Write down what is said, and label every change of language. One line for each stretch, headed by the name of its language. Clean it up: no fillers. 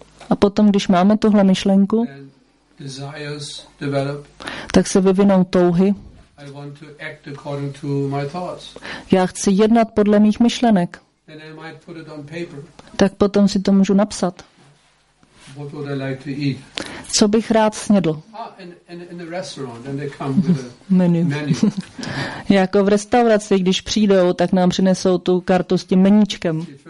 Czech: a potom, když máme tuhle myšlenku,
English: desires develop,
Czech: tak se vyvinou touhy.
English: I want to act according to my thoughts.
Czech: Já chci jednat podle mých myšlenek.
English: Then I might put it on paper.
Czech: Tak potom si to můžu napsat.
English: What would I like to eat?
Czech: Co bych rád snědl?
English: In the restaurant, and they come with a menu.
Czech: Jako v restauraci, když přijdou, tak nám přinesou tu kartu s tím meníčkem.